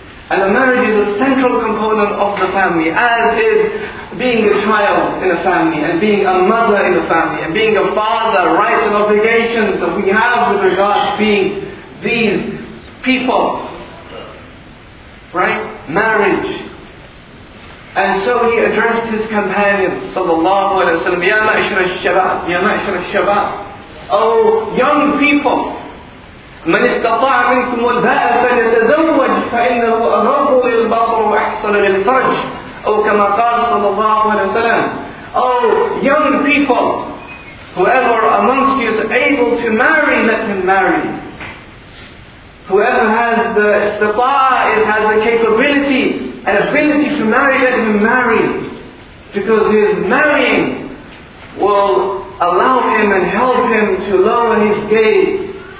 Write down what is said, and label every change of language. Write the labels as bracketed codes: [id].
[en] And the marriage is a central component of the family, as is being a child in a family, and being a mother in a family, and being a father, rights and obligations that we have with regards to being these people. Right? Marriage. And so he addressed his companions, sallallahu alayhi wa sallam, [ar] Ya Ma'ashara al-Shabab. [en] Oh, young people. [ar] من استطاع منكم الباءة فليتزوج فإنه أغض للبصر وأحسن للفرج. أو كما قال صلى الله عليه وسلم. [en] Oh young people, whoever amongst you is able to marry, let him marry. Whoever has the istata'ah, has the capability and ability to marry, let him marry. Because his marrying will allow him and help him to lower his gaze.